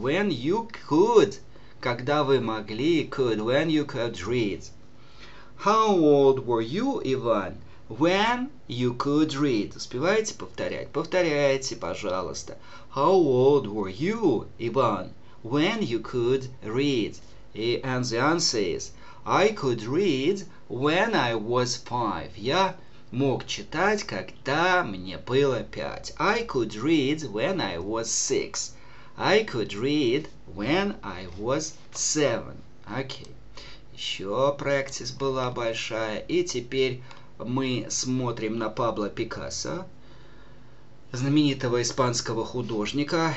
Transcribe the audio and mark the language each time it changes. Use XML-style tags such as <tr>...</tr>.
<en>When you could.</en> <ru>Когда вы могли,</ru> <en>could. When you could read. How old were you, Ivan? When you could read.</en> <ru>Успеваете повторять? Повторяйте, пожалуйста.</ru> <en>How old were you, Ivan? When you could read. And the answer is, I could read when I was 5.</en> <ru>Я мог читать, когда мне было 5.</ru> <en>I could read when I was 6. I could read when I was 7. Окей. Okay.</en> <ru>Еще практис была большая. И теперь мы смотрим на Пабло Пикассо, знаменитого испанского художника.</ru>